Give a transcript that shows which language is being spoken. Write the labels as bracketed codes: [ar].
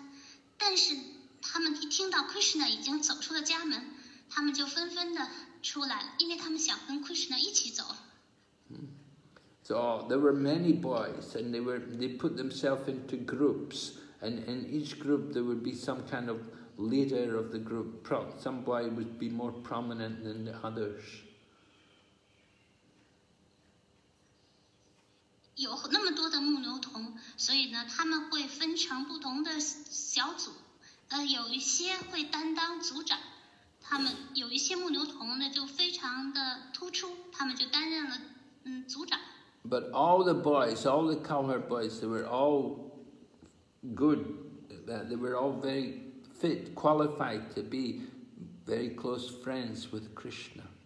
[zh] 有些人甚至还没有吃完早餐，但是他们一听到 Krishna 已经走出了家门，他们就纷纷的。 [en] So there were many boys, and they put themselves into groups, and in each group there would be some kind of leader of the group. Some boy would be more prominent than the others. [zh] 有那么多的牧牛童，所以呢，他们会分成不同的小组，有一些会担当组长。 [en] But all the boys, all the cowherd boys, they were all good. They were all very fit, qualified to be very close friends with Krishna.